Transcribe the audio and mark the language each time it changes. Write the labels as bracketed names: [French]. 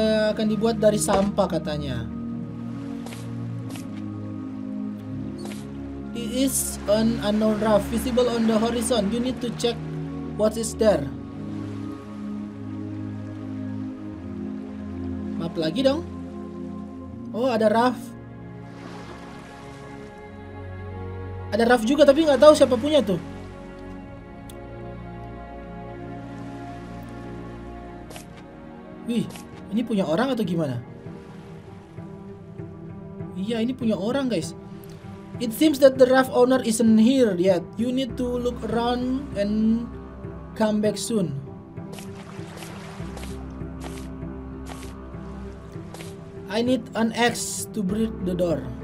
[Indonesian] Akan dibuat dari sampah katanya. [English] It is an unknown raft visible on the horizon. You need to check what is there. [Indonesian] Map lagi dong. Oh, ada raft. Ada raft juga tapi enggak tahu siapa punya tuh. Wih, ini punya orang atau gimana? Iya, ini punya orang, guys. [English] It seems that the raft owner isn't here yet. You need to look around and come back soon. I need an axe to break the door.